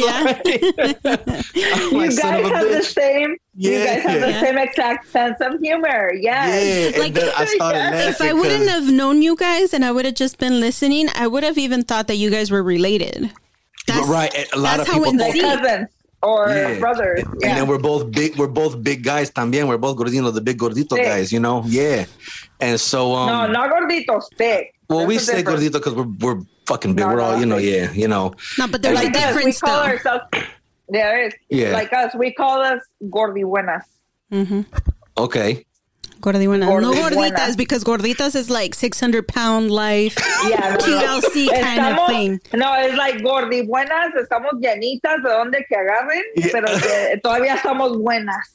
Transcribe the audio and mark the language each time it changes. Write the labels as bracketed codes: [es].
[en] Yeah. Like, you, like, guys son of a bitch. You guys have the same exact sense of humor. I started laughing. If I wouldn't have known you guys and I would have just been listening, I would have even thought that you guys were related. Brothers. And then we're both big guys [es] también. [en] We're both gordino, the big gordito thick guys, you know? Yeah. And so No, not gorditos, thick. Well, that's, we say difference. Gordito, because we're fucking big. We're all, you know. No, but there's a difference. We call ourselves, there is. Yeah. Like us, we call us gordibuenas. Mm-hmm. Okay. [es] Gordibuenas. No gorditas, buena. [en] Because gorditas is like 600-pound life, TLC kind of thing. No, it's like [es] gordibuenas, estamos llenitas de donde que agarren, pero todavía estamos buenas.